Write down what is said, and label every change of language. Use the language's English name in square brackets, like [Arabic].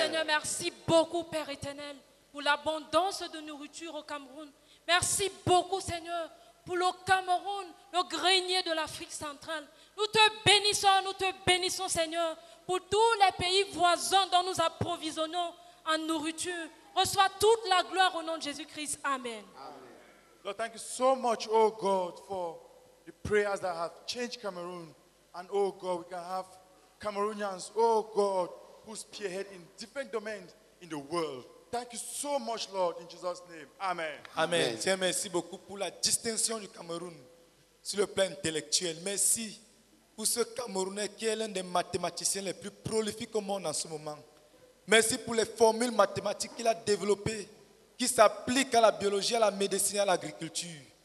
[French] Seigneur, merci beaucoup Père Éternel pour l'abondance de nourriture au Cameroun. Merci beaucoup, Seigneur, pour le Cameroun, le grenier de l'Afrique centrale. Nous te bénissons, Seigneur, pour tous les pays voisins dont nous approvisionnons en nourriture. Reçois toute la gloire au nom de Jésus-Christ. Amen. Amen. [English] Lord, thank you so much, oh God, for the prayers that have changed Cameroon. And oh God, we can have Cameroonians, oh God, who spearhead in different domains in the world. Thank you so much, Lord, in Jesus' name. Amen. Amen. [French] Seigneur, merci beaucoup pour la distinction du Cameroun sur le plan intellectuel. Merci pour ce Camerounais qui est l'un des mathématiciens les plus prolifiques au monde en ce moment. Merci pour les formules mathématiques qu'il a développées, qui s'appliquent à la biologie, à la médecine, à l'agriculture.